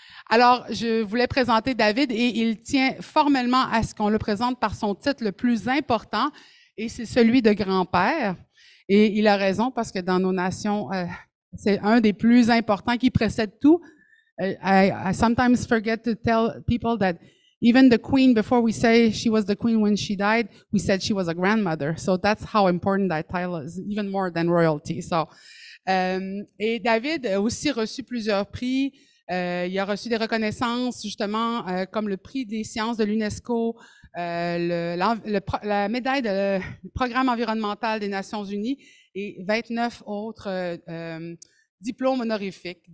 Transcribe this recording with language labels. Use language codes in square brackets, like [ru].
[fr] Alors, je voulais présenter David et il tient formellement à ce qu'on le présente par son titre le plus important et c'est celui de grand-père. Et il a raison parce que dans nos nations, c'est un des plus importants qui précède tout. [en] I sometimes forget to tell people that even the queen, before we say she was the queen when she died, we said she was a grandmother. So that's how important that title is, even more than royalty. [fr] So, et David a aussi reçu plusieurs prix. Il a reçu des reconnaissances, justement, comme le prix des sciences de l'UNESCO, la médaille de le programme environnemental des Nations Unies et 29 autres diplômes honorifiques.